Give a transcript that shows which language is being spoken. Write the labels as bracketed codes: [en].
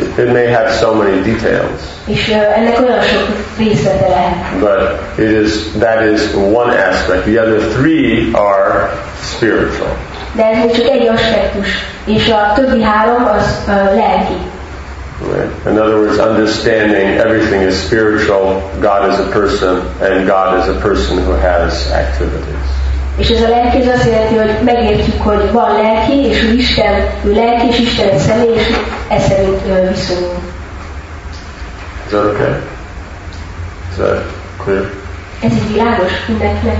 [en] It may have so many details. [hu] És ennek olyan sok részlete lehet. [en] But it is, that is one aspect. The other three are spiritual. [hu] De ez csak egy aspektus. És a többi három az lelki. [en] Right. In other words, understanding everything is spiritual, God is a person, and God is a person who has activities. [hu] És ez a lelki az azt jelenti, hogy megértjük, hogy van lelki, és hogy Isten, ő lelki, és Isten személy, és ez szerint viszonyul. [en] Is that okay? Is that clear? [hu] Ez egy világos mindenkinek?